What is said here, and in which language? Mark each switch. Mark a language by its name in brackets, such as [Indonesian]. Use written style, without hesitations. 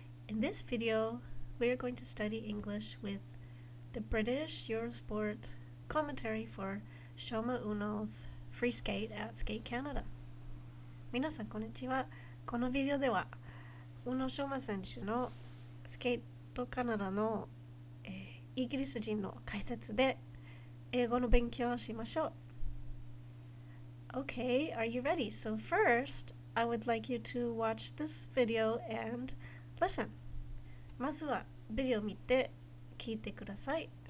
[English] In this video, we are going to study English with the British Eurosport commentary for Shoma Uno's free skate at Skate Canada. [Japanese] 皆さんこんにちは。このビデオでは、宇野昌磨選手のスケートカナダの、イギリス人の解説で英語の勉強をしましょう。 [English] Okay, are you ready? So first, I would like you to watch this video and listen. [Japanese] まずはビデオを見て聞いてください。